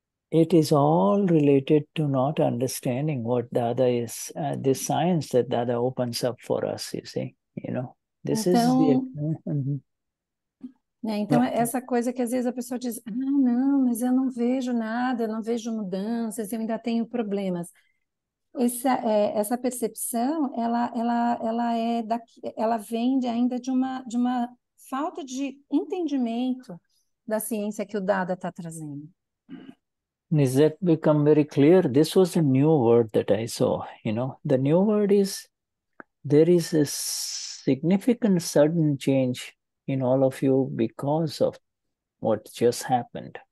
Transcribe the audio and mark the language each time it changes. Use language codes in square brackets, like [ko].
[en] It is all related to not understanding what Dada is, this science that Dada opens up for us, you see. This is the. [pt] Então, né, então essa coisa que às vezes a pessoa diz, ah, não, mas eu não vejo nada, eu não vejo mudanças, eu ainda tenho problemas. Essa percepção, ela vem de ainda de uma falta de entendimento da ciência que o Dada está trazendo. [en] Is that become very clear? This was a new word that I saw. The new word is there is a significant sudden change in all of you because of what just happened.